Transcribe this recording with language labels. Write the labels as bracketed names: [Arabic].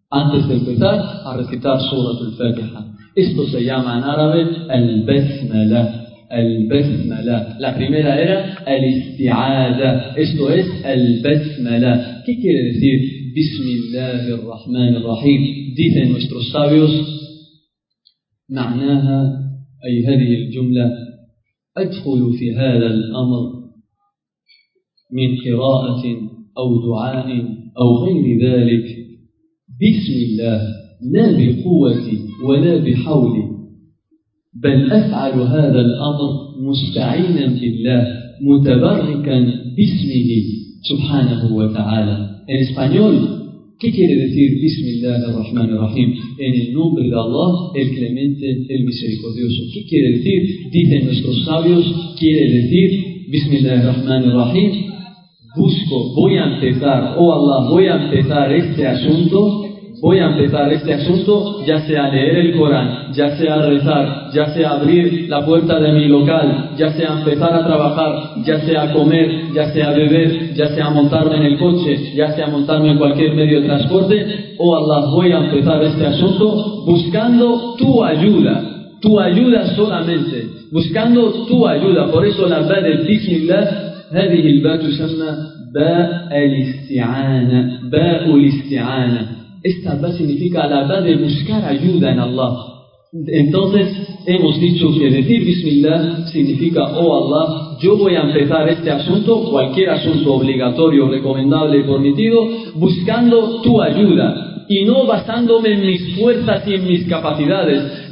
[Spanish] Antes de empezar a recitar Surat al-Fatiha. Esto se llama en árabe Al-Basmala. Al-Basmala. La primera era Al-Isti'ada. Esto es Al-Basmala. ¿Qué quiere decir Bismillahir Rahmanir Rahim? Dicen nuestros sabios: [Arabic] معناها أي هذه الجملة أدخل في هذا الأمر من قراءة أو دعاء أو غير ذلك بسم الله لا بقوتي ولا بحولي بل أفعل هذا الأمر مستعينا بالله متبركا باسمه سبحانه وتعالى. [Spanish] En español, ¿qué quiere decir Bismillah ar-Rahman ar-Rahim? En el nombre de Allah, el clemente, el misericordioso. ¿Qué quiere decir? Dicen nuestros sabios, quiere decir Bismillah ar-Rahman ar-Rahim. Busco, voy a empezar, oh Allah, voy a empezar este asunto, ya sea leer el Corán, ya sea rezar, ya sea abrir la puerta de mi local, ya sea empezar a trabajar, ya sea comer, ya sea beber, ya sea montarme en el coche, ya sea montarme en cualquier medio de transporte, oh Allah, voy a empezar este asunto buscando tu ayuda solamente, buscando tu ayuda. Por eso la verdad del Bismillah, [Arabic] هذه الباء تسمى باء الاستعانة, باء الاستعانة. [Spanish] Esta va significa la va de buscar ayuda en Allah. Entonces, hemos dicho que decir Bismillah significa, oh Allah, yo voy a empezar este asunto, cualquier asunto obligatorio, recomendable y permitido, buscando tu ayuda y no basándome en mis fuerzas y en mis capacidades.